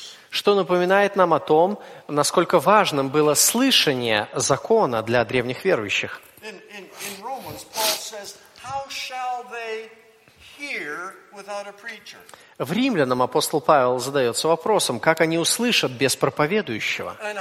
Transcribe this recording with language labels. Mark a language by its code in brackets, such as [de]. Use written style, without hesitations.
[ru] Что напоминает нам о том, насколько важным было слышание закона для древних верующих. [en] In Romans, Paul says, how shall they hear without a preacher? [ru] В Римлянам апостол Павел задается вопросом, как они услышат без проповедующего?